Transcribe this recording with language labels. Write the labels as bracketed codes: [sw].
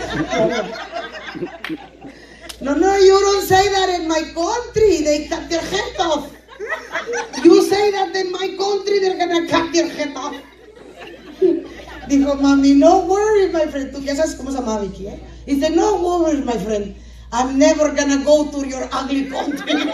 [en] No, no, you don't say that in my country, they cut their head off. You say that in my country, they're gonna cut your head off. [es] Dijo, mami, [en] no worries, my friend. [es] Tú ya sabes cómo se llama Vicky, ¿eh? [en] Dice, no worries, my friend. I'm never gonna go to your ugly country.